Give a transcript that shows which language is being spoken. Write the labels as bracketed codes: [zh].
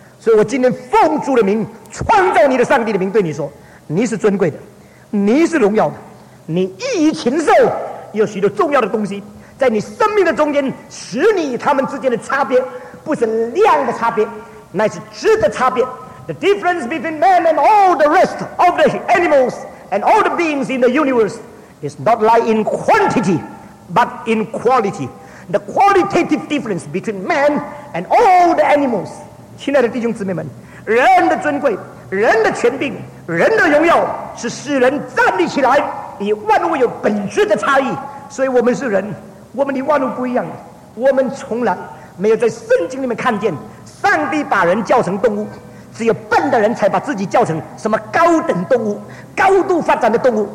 [zh] 所以我今天奉主的名，创造你的上帝的名，对你说，你是尊贵的，你是荣耀的，你异于禽兽，有许多重要的东西在你生命的中间，使你与他们之间的差别不是量的差别，乃是质的差别。 [en] The difference between man and all the rest of the animals and all the beings in the universe is not lie in quantity but in quality. The qualitative difference between man and all the animals. [zh] 亲爱的弟兄姊妹们，人的尊贵，人的权柄，人的荣耀，是使人站立起来与万物有本质的差异。所以我们是人，我们与万物不一样。我们从来没有在圣经里面看见上帝把人叫成动物，只有笨的人才把自己叫成什么高等动物、高度发展的动物。